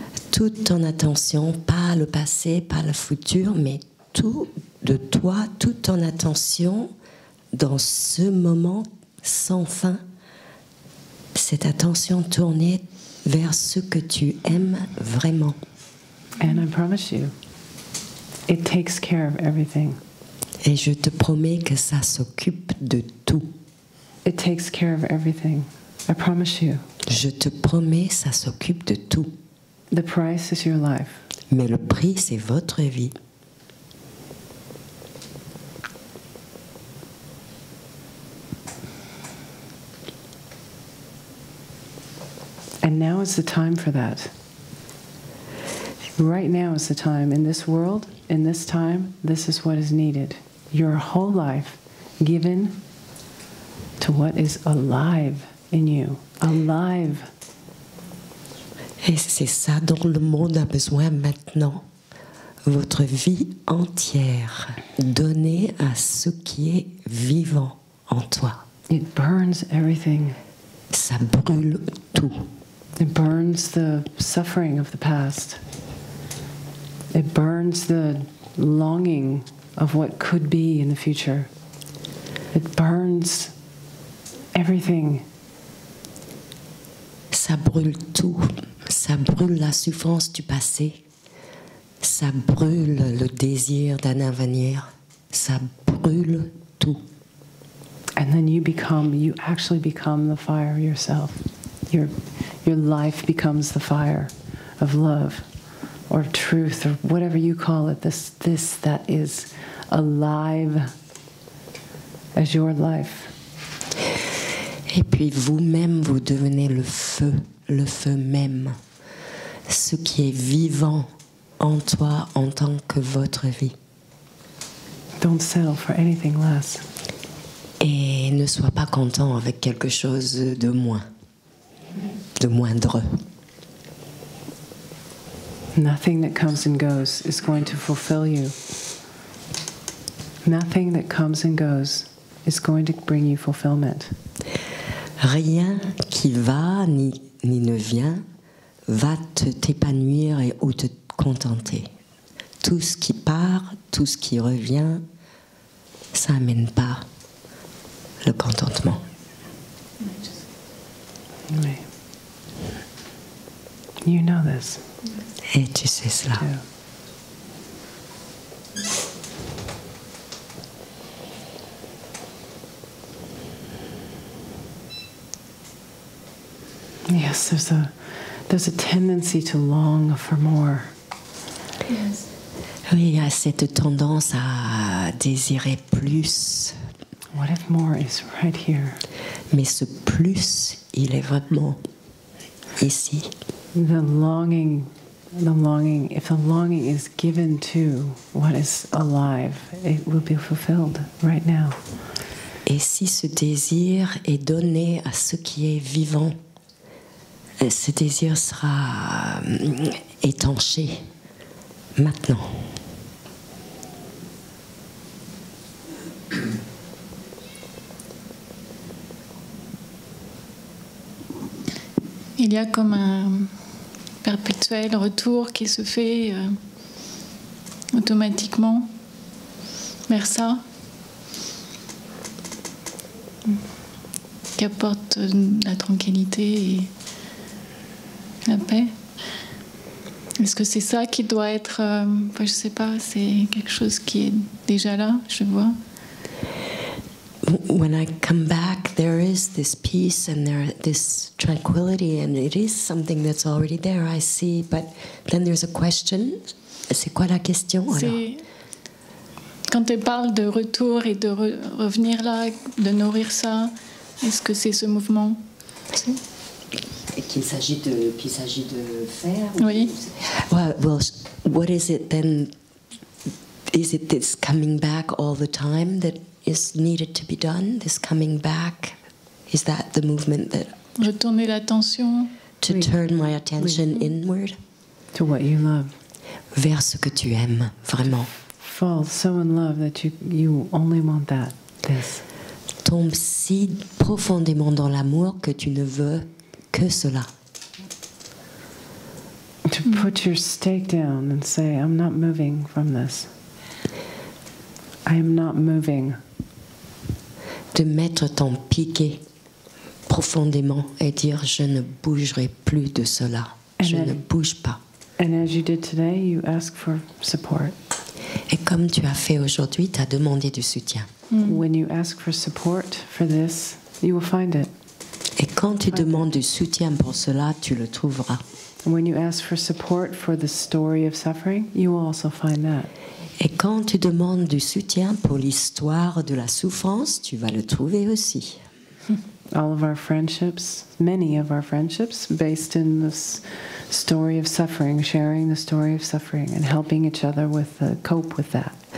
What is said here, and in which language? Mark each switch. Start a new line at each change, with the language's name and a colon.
French: Toute ton attention, pas le passé, pas le futur, mais tout de toi, toute ton attention dans ce moment sans fin. Cette attention tournée vers ce que tu aimes vraiment.
English: And I promise you, it takes care of everything.
French: Et je te promets que ça s'occupe de tout.
English: It takes care of everything. I promise you.
French: Je te promets, ça s'occupe de tout.
English: The price is your life.
French: Mais le prix, c'est votre vie.
English: And now is the time for that. Right now is the time in this world. In this time, this is what is needed. Your whole life given to what is alive in you. Alive.
French: Et c'est ça dont le monde a besoin maintenant. Votre vie entière donnée à ce qui est vivant en toi.
English: It burns everything.
French: Ça brûle tout.
English: It burns the suffering of the past. It burns the longing of what could be in the future. It burns everything.
French: Ça brûle tout. Ça brûle la souffrance du passé. Ça brûle le désir d'un avenir. Ça brûle tout.
English: And then you actually become the fire yourself. Your life becomes the fire of love. Or truth, or whatever you call it, this that is alive as your life.
French: Et puis vous-même, vous devenez le feu même, ce qui est vivant en toi en tant que votre vie.
English: Don't settle for anything less.
French: Et ne sois pas content avec quelque chose de moins, de moindre.
English: Nothing that comes and goes is going to fulfill you. Nothing that comes and goes is going to bring you fulfillment.
French: Rien qui va ni ne vient va t'épanouir et ou te contenter. Tout ce qui part, tout ce qui revient, ça n'amène pas le contentement. Oui.
English: You know this.
French: Et tu sais cela.
English: Yes, there's a tendency to long for more. Yes.
French: Oui, il y a cette tendance à désirer plus.
English: What if more is right here?
French: Mais ce plus, il est vraiment ici.
English: The longing, if the longing is given to what is alive, it will be fulfilled right now.
French: Et si ce désir est donné à ce qui est vivant, ce désir sera étanché maintenant. Il y a comme un perpétuel retour qui se fait automatiquement vers ça, qui apporte la tranquillité et la paix. Est-ce que c'est ça qui doit être, je ne sais pas, c'est quelque chose qui est déjà là, je vois.
English: When I come back, there is this peace and there this tranquility, and it is something that's already there, I see. But then there's a question.
French: C'est quoi la question, alors? C'est quand tu parles de retour et de revenir là, de nourrir ça, est-ce que c'est ce mouvement? Et qu'il s'agit de faire? Oui.
English: Well, what is it then? Is it this coming back all the time that is needed to be done, this coming back? Is that the movement that...
French: Retourner l'attention.
English: To oui. Turn my attention oui. Inward. To what you love.
French: Vers ce que tu aimes, vraiment.
English: Fall so in love that you only want that, this.
French: Tombe si profondément dans l'amour que tu ne veux que cela.
English: To put your stake down and say, I'm not moving from this. I am not moving.
French: De mettre ton piquet profondément et dire je ne bougerai plus de cela.
English: And
French: je ne bouge pas.
English: And as you did today, you ask for support.
French: Et comme tu as fait aujourd'hui, tu as demandé du soutien. Mm.
English: When you ask for support for this, you will find it.
French: Et quand tu demandes du soutien pour cela, tu le trouveras.
English: And when you ask for support for the story of suffering, you will also find that.
French: Et quand tu demandes du soutien pour l'histoire de la souffrance, tu vas le trouver aussi.
English: All of our friendships, many of our friendships, based in this story of suffering, sharing the story of suffering and helping each other with cope with that.